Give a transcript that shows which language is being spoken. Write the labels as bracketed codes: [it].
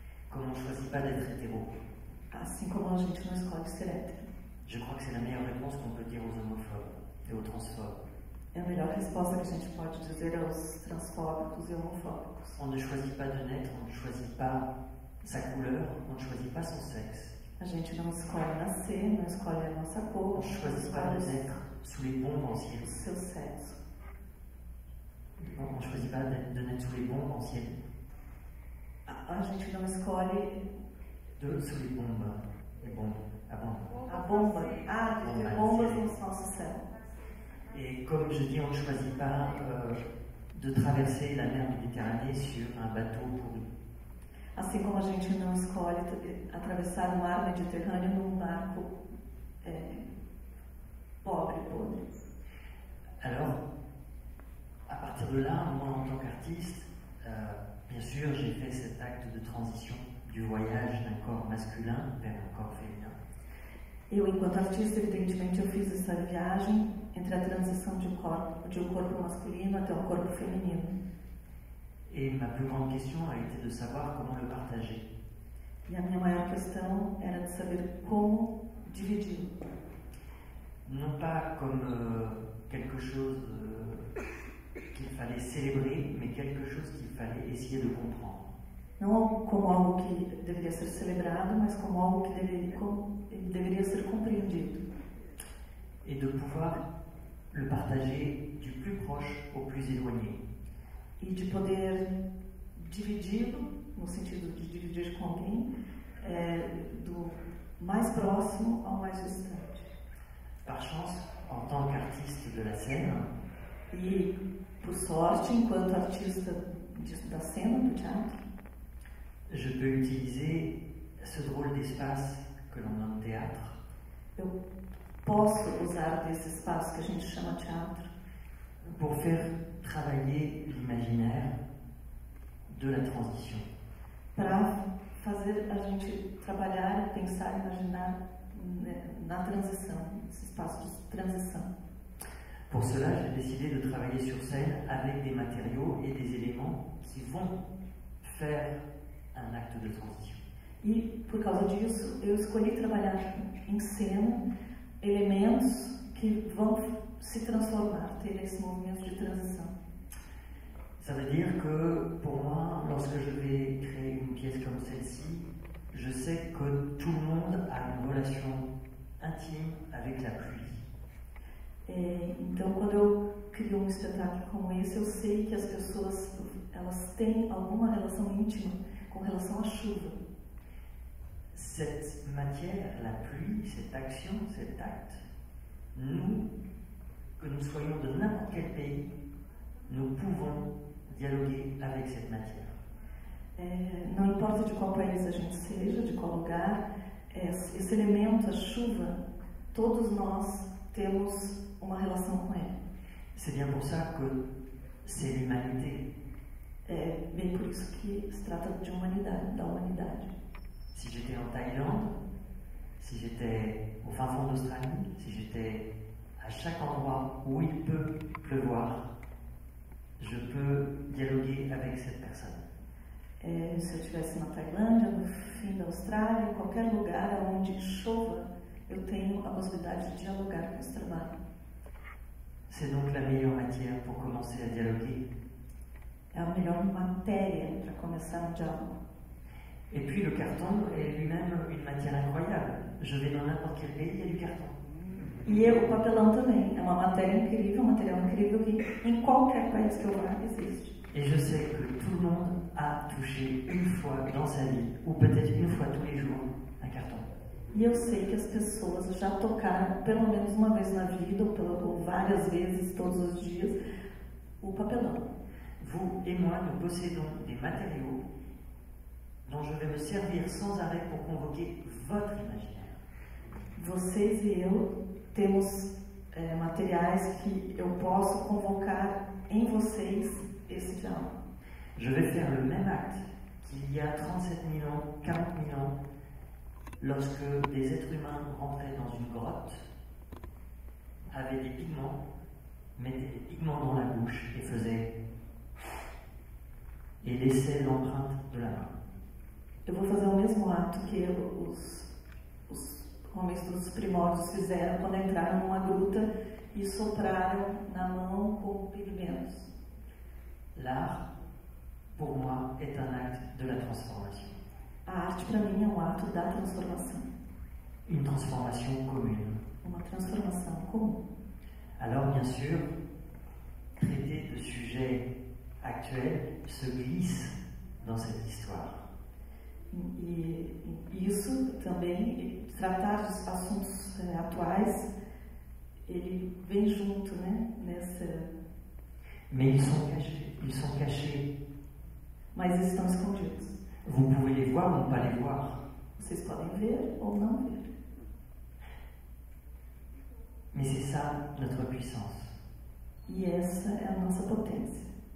[fr] Comme on ne choisit pas d'être hétéro. [pt] Assim como a gente não escolhe ser hétéro. [fr] Je crois que c'est la meilleure réponse qu'on peut dire aux homophobes et aux transphobes. [pt] É a melhor resposta que a gente pode dizer aos transfóbicos e homofóbicos. [fr] On ne choisit pas de naître, on ne choisit pas sa couleur, on ne choisit pas son sexe. [pt] A gente não escolhe nascer, não escolhe a nossa cor. [fr] On ne choisit pas de naître sous les bombes en ciel. [pt] Seu sexo. [fr] Non, on ne choisit pas de naître sous les bombes en ciel. [pt] A gente não escolhe. [fr] De sous les bombes. Les bombes. [pt] A bomba. Ah, bombas no nosso céu. E como eu disse, [fr] on ne choisit pas de traverser la mer Méditerranée sur un bateau pourri. [pt] Assim como a gente não escolhe atravessar o mar Mediterrâneo num barco pobre, podre. [fr] Alors, à partir de là, moi, en tant qu'artiste, bien sûr, j'ai fait cet acte de transition du voyage d'un corps masculin vers un corps féminin. [pt] Eu, enquanto artista, evidentemente, eu fiz essa viagem entre a transição de um corpo masculino até um corpo feminino. [fr] E ma plus grande question a été de savoir comment le partager. [pt] E a minha maior questão era de saber como dividir. [fr] Não pas comme quelque chose qu'il fallait célébrer, mais quelque chose qu'il fallait essayer de comprendre. [pt] Não como algo que deveria ser celebrado, mas como algo que deveria ser compreendido. [fr] Et de pouvoir le partager du plus proche au plus éloigné. [pt] E de poder dividi-lo, no sentido de dividir com alguém, do mais próximo ao mais distante. [fr] Par chance, en tant qu'artiste de la scène. [pt] E por sorte, enquanto artista da cena, do teatro. [fr] Je peux utiliser ce drôle d'espace que l'on nomme théâtre. [pt] Eu posso usar desse espaço que a gente chama teatro [fr] pour faire travailler l'imaginaire de la transition. [pt] Para fazer a gente trabalhar, pensar, imaginar na transição, esse espaço de transição. [fr] Pour cela, j'ai décidé de travailler sur scène avec des matériaux et des éléments qui vont faire un acte de transition. [pt] E por causa disso, eu escolhi trabalhar em cena elementos que vão se transformar, ter esse movimento de transição. [fr] Ça veut dire que pour moi, lorsque je vais créer une pièce comme celle-ci, je sais que tout le monde a une relation intime avec la pluie. [pt] Então, quando eu crio um espetáculo como esse, eu sei que as pessoas elas têm alguma relação íntima com relação à chuva. [fr] Cette matière, la pluie, cette action, cet acte, nous, que nous soyons de n'importe quel pays, nous pouvons dialoguer avec cette matière. [pt] Não importa de qual país a gente seja, de qual lugar, esse elemento, a chuva, todos nós temos uma relação com ele. [fr] C'est bien pour ça que c'est l'humanité. [pt] É bem por isso que se trata de humanidade, da humanidade. [fr] Si j'étais en Thaïlande, si j'étais au fin fond d'Australie, si j'étais à chaque endroit où il peut pleuvoir, je peux dialoguer avec cette personne. [pt] Se eu estivesse na Tailândia, no fim da Austrália, em qualquer lugar onde chova, eu tenho a possibilidade de dialogar com esse trabalho. [fr] C'est donc la meilleure matière pour commencer à dialoguer. [pt] É a melhor matéria para começar o diálogo. [fr] Et puis le carton est lui-même une matière incroyable. Je vais dans n'importe quel pays, il y a du carton. [pt] E o papelão também é uma matéria incrível, um material incrível que em qualquer país que eu vá existe. [fr] Et je sais que tout le monde a touché une fois dans sa vie, ou peut-être une fois tous les jours, un carton. [pt] E eu sei que as pessoas já tocaram pelo menos uma vez na vida, ou várias vezes todos os dias, o papelão. [fr] Vous et moi, nous possédons des matériaux dont je vais me servir sans arrêt pour convoquer votre imaginaire. [pt] Vocês e eu temos materiais que eu posso convocar em vocês esse diálogo. [fr] Je vais faire le même acte qu'il y a 37 000 ans, 40 000 ans, lorsque des êtres humains rentraient dans une grotte, avaient des pigments, mettaient des pigments dans la bouche et faisaient et laissaient l'empreinte de la main. [pt] Eu vou fazer o mesmo ato que os homens dos primórdios fizeram quando entraram numa gruta e sopraram na mão com pigmentos. [fr] L'art, pour moi, est un acte de la transformation. [pt] A arte, para mim, é um ato da transformação. [fr] Une transformation commune. [pt] Uma transformação comum. [fr] Alors, bien sûr, traiter de sujets actuels se glisse dans cette histoire. [pt] E isso também, tratar de assuntos atuais, ele vem junto, né, nessa... [fr] Mais ils sont cachés. [pt] Mas eles estão escondidos. [fr] Vous pouvez les voir ou pas les voir. [pt] Vocês podem ver ou não ver. [fr] Mais c'est ça, notre puissance. [pt] E essa é a nossa potência.